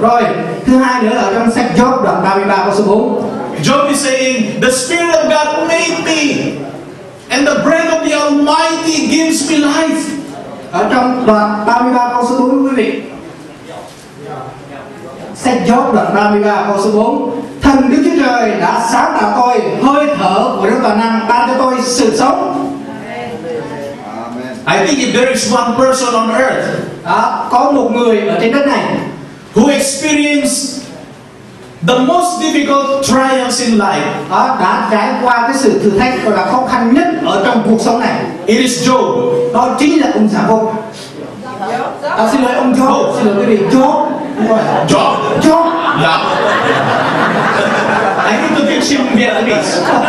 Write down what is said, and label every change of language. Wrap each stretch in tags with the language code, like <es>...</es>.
<vi>Rồi, thứ hai nữa là trong sách Job đoạn 33 câu số 4.</vi> <en>Job is saying, the Spirit of God made me, and the breath of the Almighty gives me life.</en> <vi>Ở trong đoạn 33 câu số 4, quý vị. Sách Job đoạn 33 câu số 4. Thần Đức Chúa Trời đã sáng tạo tôi, hơi thở của Đức Toàn Năng ban cho tôi sự sống.</vi> <en>I think if there is one person on earth,</en> <vi>có một người ở trên đất này,</vi> <en>who experienced the most difficult trials in life,</en> <vi>đã trải qua cái sự thử thách gọi là khó khăn nhất ở trong cuộc sống này.</vi> <en>It is Job.</en> <vi>Đó chính là ông Giả-ôm. Xin lỗi ông Job. Xin lỗi quý vị. Job.</vi> <en>Job. Job. Yeah. I need to fix him Vietnamese.</en>